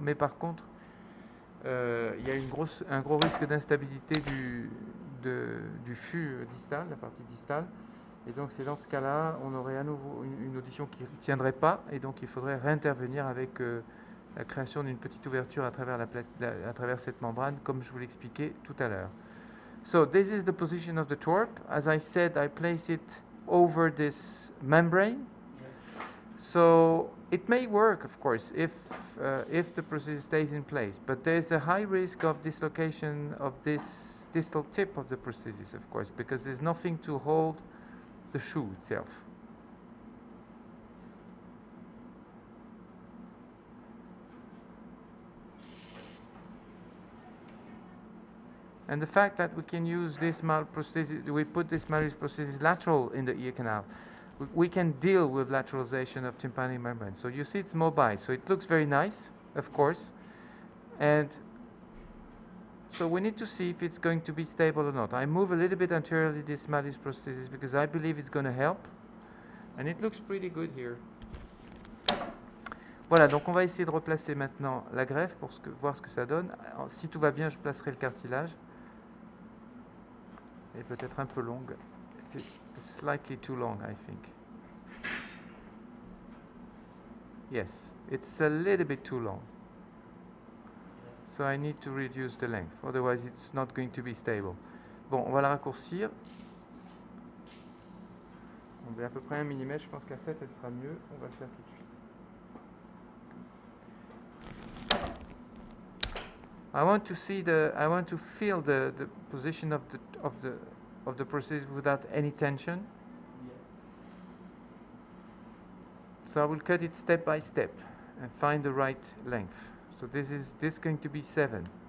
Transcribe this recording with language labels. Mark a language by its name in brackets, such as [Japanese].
[French] Mais par contre, il y a un gros risque d'instabilité du fût distal, la partie distale. Et donc c'est dans ce cas-là, on aurait à nouveau une audition qui ne tiendrait pas, et donc il faudrait réintervenir avec la création d'une petite ouverture à travers à travers cette membrane, comme je vous l'expliquais tout à l'heure. [English] So this is the position of the TORP. As I said, I place it over this membrane. So it may work, of course, if the prosthesis stays in place, but there's a high risk of dislocation of this distal tip of the prosthesis, of course, because there's nothing to hold the shoe itself. And the fact that we can use this malprosthesis, we put this Malleus prosthesis lateral in the ear canal, we can deal with lateralization of tympanic membrane. So you see it's mobile, so it looks very nice, of course. And so we need to see if it's going to be stable or not. I move a little bit anteriorly this Malleus prosthesis because I believe it's going to help. And it looks pretty good here. [French] Voilà, donc on va essayer de replacer maintenant la greffe pour voir ce que ça donne. Alors, si tout va bien, je placerai le cartilage. Elle est peut-être un peu longue. [English] it's slightly too long, I think. Yes, it's a little bit too long. So I need to reduce the length, otherwise it's not going to be stable. [French] Bon, on va la raccourcir. On est à peu près un millimètre, je pense qu'à 7 elle sera mieux, on va le faire tout de suite. [English] I want to see the, I want to feel the position of the of the of the prosthesis without any tension. Yeah. So I will cut it step by step and find the right length. So this is going to be 7.